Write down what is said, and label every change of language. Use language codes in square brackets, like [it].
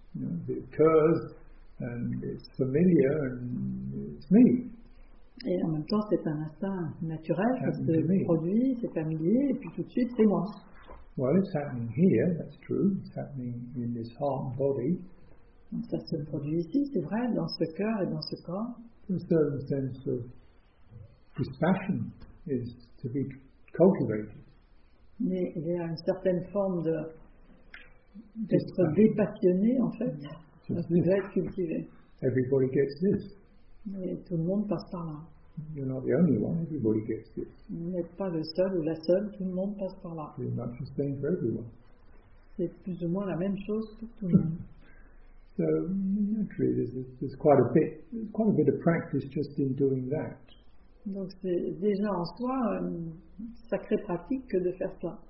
[en] You know, it occurs and it's familiar and it's me. [fr] Et en même temps, c'est un instinct naturel, ça se produit, c'est familier, et puis tout de suite, c'est moi. [en] Well, it's happening here, that's true. It's happening in this heart and body. [fr] Donc ça se produit ici, c'est vrai, dans ce cœur et dans ce corps. [en] A certain sense of dispassion is to be cultivated. [fr] Mais il y a une certaine forme de, d'être dépassionné, en fait, de être cultivé. [en] Everybody gets this. [fr] Et tout le monde passe par là. [en] You're not the only one, everybody gets this. [fr] Vous n'êtes pas le seul ou la seule, tout le monde passe par là. [en] Pretty much the same for everyone. [fr] C'est plus ou moins la même chose pour tout le monde. [en] So naturally, there's quite a bit. There's quite a bit of practice just in doing that. [fr] Donc c'est déjà en soi une sacrée pratique que de faire cela.